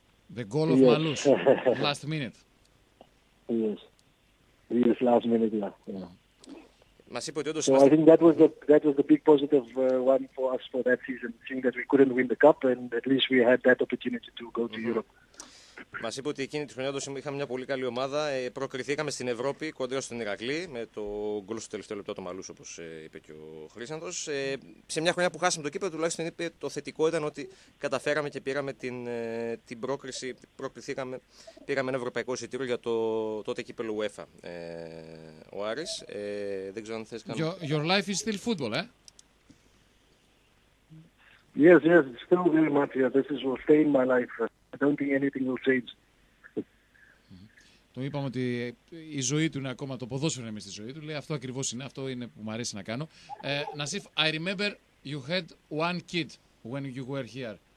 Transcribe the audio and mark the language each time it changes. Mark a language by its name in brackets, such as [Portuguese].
[English] The goal of yes. Malus, last minute. Yes, last minute, yeah. Yeah. So I think that was the big positive one for us for that season, seeing that we couldn't win the cup and at least we had that opportunity to go to mm-hmm. Europe. [Greek] Μας είπε ότι εκείνη τη χρονιά είχαμε μια πολύ καλή ομάδα. Προκριθήκαμε στην Ευρώπη κοντά στον Ηρακλή με το γκολ στο τελευταίο λεπτό του Μαλούς, όπως είπε και ο Χρύσανθος. Σε μια χρονιά που χάσαμε το κύπελλο, τουλάχιστον είπε το θετικό ήταν ότι καταφέραμε και πήραμε την πρόκριση. Προκριθήκαμε, πήραμε ένα ευρωπαϊκό εισιτήριο για το τότε κύπελλο UEFA. Ο Άρης, δεν ξέρω αν θες να. [English] Your life is still football, eh? Yes, yes, it's still very much. Yeah, this is will stay in my life. I don't think anything will change. [Greek] Το είπαμε ότι η ζωή του είναι ακόμα το ποδόσφαιρο είναι στη ζωή του. Λέει αυτό ακριβώς είναι, αυτό είναι που μου αρέσει να κάνω. [English] Nassif, I remember you had one kid when you were here.